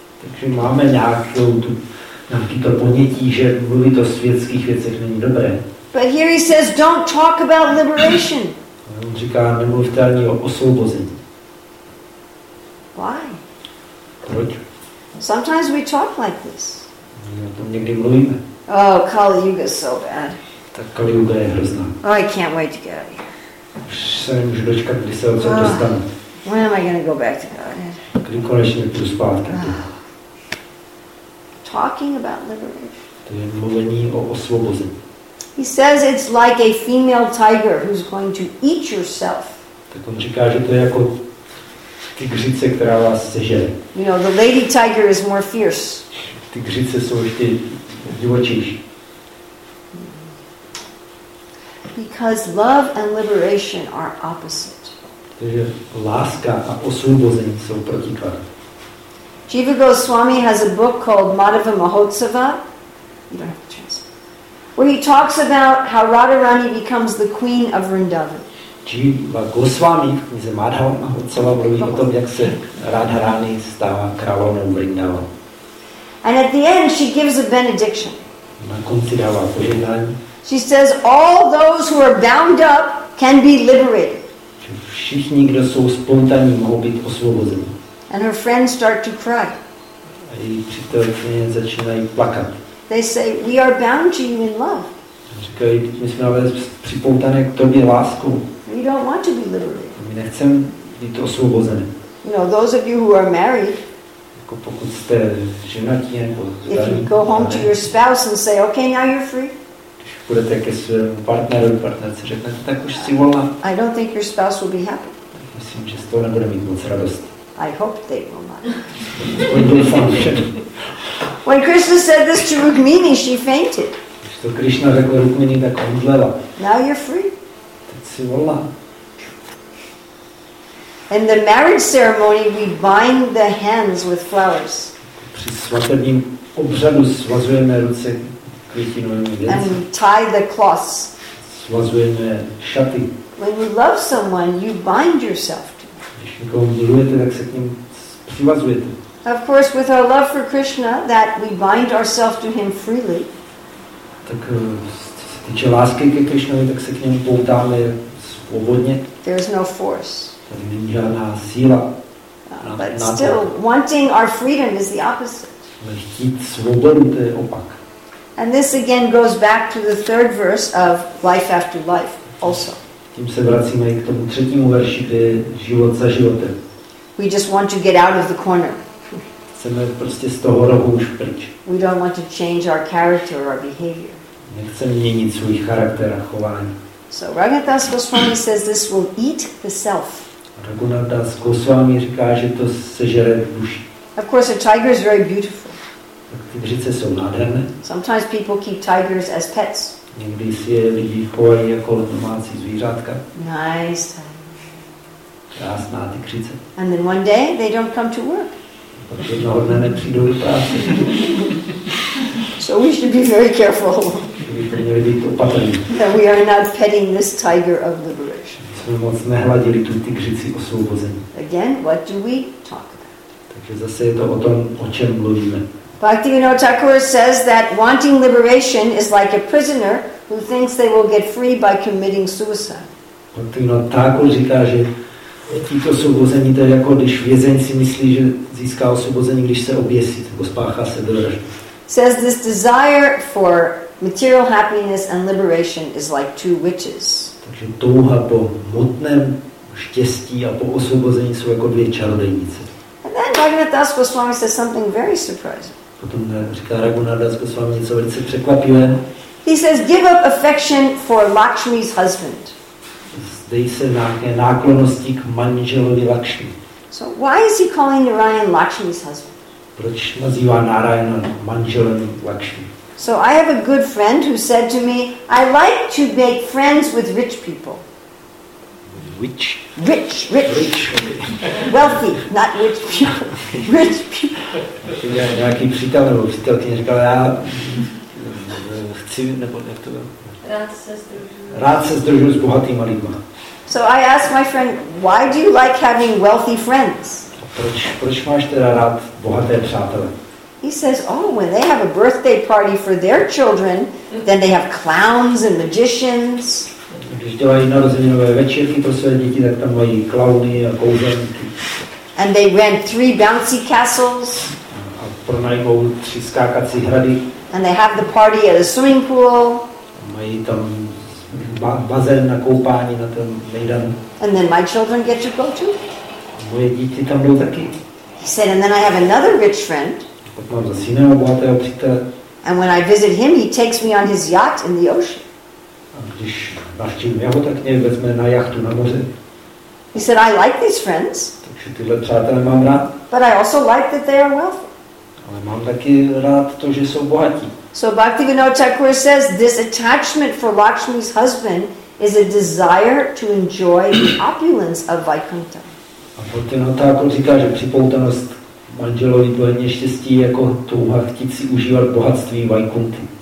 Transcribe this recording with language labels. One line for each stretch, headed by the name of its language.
Czech: Takže máme nějaký to ponětí, že mluvit o světských věcech není dobré.
English: But here he says, don't talk about liberation.
Czech: A on říká, nemluvte ani o osvobození.
English: Why?
Czech: Proč?
English: Sometimes we talk like this.
Czech: Někdy mluvíme.
English: Oh, Kali Yuga is so bad.
Czech: Ta Kali Yuga je hrozná.
English: Oh, I can't wait to get out of here.
Czech: Už se nemůžu dočkat, kdy se odsud dostanu.
English: When am I going to go back to Godhead?
Czech: Kdy konečně půjdu zpátky.
English: Talking about liberation.
Czech: To je mluvení o osvobození.
English: He says it's like a female tiger who's going to eat yourself.
Czech: Tak on říká, že to je jako tygřice, která vás sežere.
English: You know, the lady tiger is more fierce.
Czech: Tygřice jsou ještě divočejší.
English: Because love and liberation are opposite.
Czech: Takže láska a osvobození jsou protiklady.
English: Jiva Goswami has a book called Madhava Mahotsava. You don't have a chance. Where he talks about how Radharani becomes the queen of Vrindavan.
Czech: Jiva Goswami v knize Madhava Mahotsava mluví o tom, jak se Radharani stává královnou Vrindavan.
English: And at the end she gives a benediction.
Czech: Na konci dává požehnání.
English: She says all those who are bound up can be liberated.
Czech: Všichni, kdo jsou spontánní, mohou být osvobozeni.
English: And her friends start to cry.
Czech: A její přítelkyně začínají plakat.
English: They say, we are bound to you in love.
Czech: Říkají, my jsme ale připoutané k tobě láskou.
English: We don't want to be liberated.
Czech: My nechceme být osvobozeni.
English: You know, those of you who are married.
Czech: Jako pokud jste ženatí nebo zdaní.
English: If you go home to your spouse and say, okay, now you're free.
Czech: Když půjdete ke svému partnerovi, partnerce řeknete, tak už si volna.
English: I don't think your spouse will be happy. Myslím, že z toho nebude mít moc radost. I hope they will not. When Krishna said this to Rukmini, she fainted.
Czech: To Krishna řekl Rukmini, tak omdlela.
English: Now you're free.
Czech: Teď si volná.
English: In the marriage ceremony, we bind the hands with flowers.
Czech: Při svatebním obřadu svazujeme ruce květinovými věnci.
English: And we tie the cloths.
Czech: Svazujeme šaty.
English: When you love someone, you bind yourself. Of course, with our love for Krishna, that we bind ourselves to him freely.
Czech: Tak se týče lásky ke Krishnovi, tak se k němu poutáme svobodně.
English: There is no force.
Czech: Tady není žádná síla.
English: But still, wanting our freedom is the opposite.
Czech: Ale chtít svobodu, to je opak.
English: And this again goes back to the third verse of Life After Life also.
Czech: Tím se vracíme i k tomu třetímu verši, kde je život za životem.
English: We just want to get out of the corner.
Czech: Chceme prostě z toho rohu už pryč.
English: We don't want to change our character or our behavior.
Czech: Nechceme měnit svůj charakter a chování.
English: So Raghunath Goswami says this will eat the self.
Czech: Raghunath Goswami říká, že to sežere duši.
English: Of course, a tiger is very beautiful.
Czech: Tak ty břice jsou nádherné.
English: Sometimes people keep tigers as pets.
Czech: Někdy si je lidi chovají jako domácí zvířátka.
English: Nice.
Czech: Krásná tygřice.
English: And then one day they don't come to work.
Czech: Pak jednoho dne nepřijdou do práce.
English: So we should be very careful.
Czech: Bychom měli být opatrní.
English: That we are not petting this tiger of liberation.
Czech: Jsme moc nehladili tu tygřici osvobození.
English: Again, what do we talk about?
Czech: Takže zase je to o tom, o čem mluvíme.
English: Bhaktivinoda Thakur says that wanting liberation is like a prisoner who thinks they will get free by committing suicide.
Czech: Bhaktivinoda Thakur říká, že tito osvobození to je jako když vězeň si myslí, že získá osvobození, když se oběsí, nebo spáchá sebevraždu.
English: Says this desire for material happiness and liberation is like two witches.
Czech: Takže touha po hmotném štěstí a po osvobození jsou jako dvě čarodějnice.
English: And then Raghunath Das Goswami says something very surprising.
Czech: Potom říká Raghunath Das Goswami něco velice překvapivého.
English: He says, give up affection for Lakshmi's husband.
Czech: Zdej se nějaké náklonosti k manželovi Lakshmi.
English: So why is he calling Narayan Lakshmi's husband?
Czech: Proč nazývá Narayana manželem Lakshmi?
English: So I have a good friend who said to me, I like to make friends with rich people. Which? Rich. Wealthy, not rich people. Rich people.
Czech: Já nějaký přítel nebo přítelkyně říkal, já chci, nebo jak to bylo? Rád se združuji s bohatýma lidma.
English: So I asked my friend, why do you like having wealthy friends?
Czech: Proč máš teda rád bohaté přátelé?
English: He says, oh, when they have a birthday party for their children, then they have clowns and magicians.
Czech: Když dělají narozeninové večírky pro své děti, tak tam mají klauny a kouzelníky.
English: And they rent three bouncy castles.
Czech: A pronajmou tři skákací hrady.
English: And they have the party at a swimming pool.
Czech: A mají tam bazén na koupání na tom Maidan.
English: And then my children get to go too?
Czech: Moje děti tam jdou taky.
English: He said, and then I have another rich friend.
Czech: Pak mám zase jiného bohatého přítele.
English: And when I visit him, he takes me on his yacht in the ocean.
Czech: A když navštívím jeho, tak mě vezme na jachtu na moře.
English: He said, I like these friends.
Czech: Takže tyhle přátelé mám rád.
English: But I also like that they are wealthy.
Czech: Ale mám taky rád to, že jsou bohatí.
English: So Bhaktivinoda Thakur says this attachment for Lakshmi's husband is a desire to enjoy the opulence of Vaikuntha.
Czech: A Bhaktivinoda Thakur říká, že připoutanost manželovi bude neštěstí jako touha chtít si užívat bohatství Vaikunty.